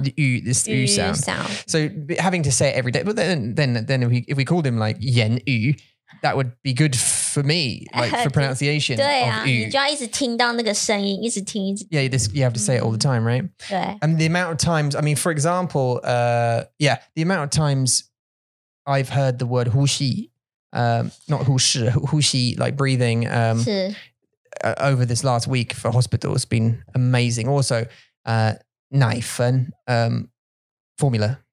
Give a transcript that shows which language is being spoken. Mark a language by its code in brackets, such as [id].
[en] the 语 this 语 sound so having to say it every day but then if we called him like 言语 that would be good for me like for pronunciation [zh] 对啊 [en] of 语 [zh] 你就要一直听到那个声音一直听 [en] yeah you have to say it all the time right [zh] 对 [en] and the amount of times I mean for example yeah the amount of times I've heard the word 呼吸not 呼吸 like breathing over this last week for hospital has been amazing also 奶粉 formula